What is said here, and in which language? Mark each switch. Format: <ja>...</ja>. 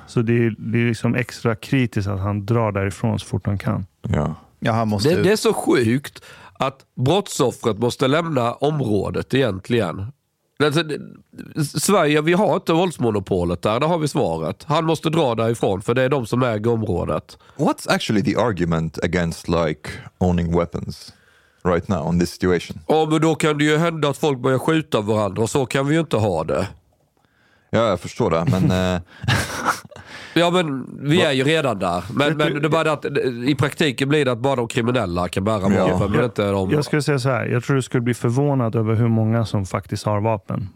<sv>Så det är liksom extra kritiskt att han drar därifrån så fort han kan. Ja. Ja, han måste... det är så sjukt att brottsoffret måste lämna området egentligen. Alltså, Sverige, vi har inte våldsmonopolet där. Där har vi svaret. Han måste dra därifrån för det är de som äger området.</sv> <en>What's actually the argument against like owning weapons right now in this situation?</en> <sv>Ja, men då kan det ju hända att folk börjar skjuta varandra och så kan vi ju inte ha det. Ja, jag förstår det, men... Ja, men vi är ju redan där. Men det är bara att i praktiken blir det att bara de kriminella kan bära vapen. Ja. Inte de... Jag skulle säga så här, jag tror du skulle bli förvånad över hur många som faktiskt har vapen.</sv>